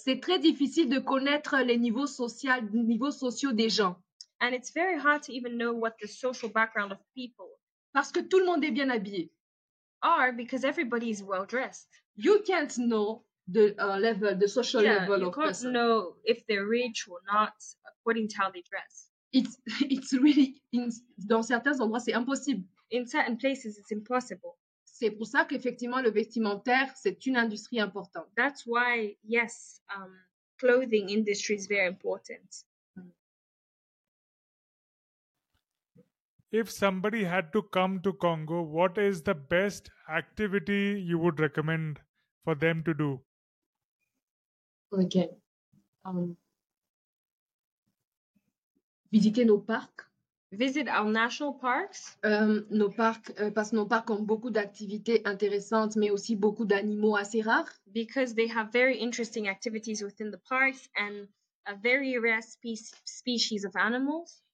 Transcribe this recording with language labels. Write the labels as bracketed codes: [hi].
[fr] c'est très difficile de connaître les niveaux sociaux des gens. [en] And it's very hard to even know what the social background of people. [fr] Parce que tout le monde est bien habillé. [en] Or because everybody is well dressed. You can't know the social yeah, level of person. You can't know if they're rich or not according to how they dress. It's really, [fr] dans certains endroits, c'est impossible. [en] In certain places, it's impossible. [fr] C'est pour ça qu'effectivement, le vestimentaire, c'est une industrie importante. [en] That's why, yes, clothing industry is very important. If somebody had to come to Congo, what is the best activity you would recommend for them to do? Okay. [fr] Visiter nos parcs. [en] Visit our national parks. [fr] Nos parcs, parce que nos parcs ont beaucoup d'activités intéressantes, mais aussi beaucoup d'animaux assez rares. [en] Because they have very interesting activities within the parks and a very rare species of animals.